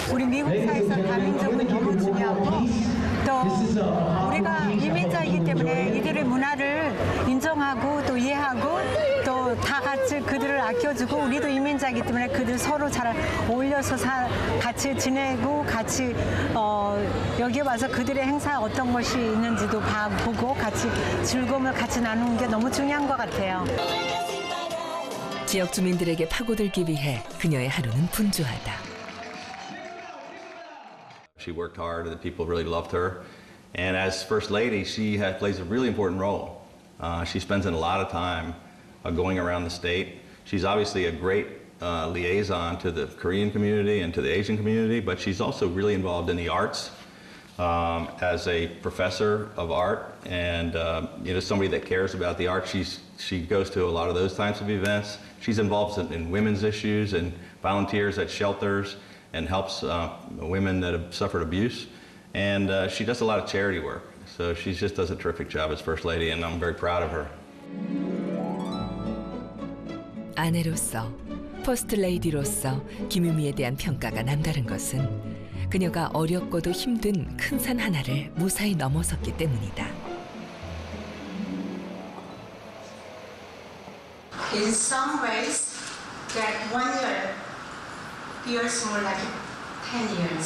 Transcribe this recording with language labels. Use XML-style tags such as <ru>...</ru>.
<ko>우리 미국사에서 다민족은 너무 중요하고 또 우리가 이민자이기 때문에 이들의 문화를 인정하고 또 이해하고 또 다 같이 그들을 아껴주고 우리도 이민자이기 때문에 그들 서로 잘 어울려서 같이 지내고 같이 여기 와서 그들의 행사 어떤 것이 있는지도 보고 같이 즐거움을 같이 나누는 게 너무 중요한 것 같아요. 지역 주민들에게 파고들기 위해 그녀의 하루는 분주하다.</ko> <en>She worked hard and the people really loved her. And as First Lady, she plays a really important role. She spends a lot of time going around the state. She's obviously a great liaison to the Korean community and to the Asian community, but she's also really involved in the arts as a professor of art and you know, somebody that cares about the arts. She goes to a lot of those types of events. She's involved in women's issues and volunteers at shelters and helps women that have suffered abuse. And she does a lot of charity work. So she just does a terrific job as First Lady, and I'm very proud of her.</en> <ko>아내로서, 퍼스트레이디로서 김유미에 대한 평가가 남다른 것은 그녀가 어렵고도 힘든 큰 산 하나를 무사히 넘어섰기 때문이다.</ko> <en>In some ways, that 1 year feels more like 10 years.</en>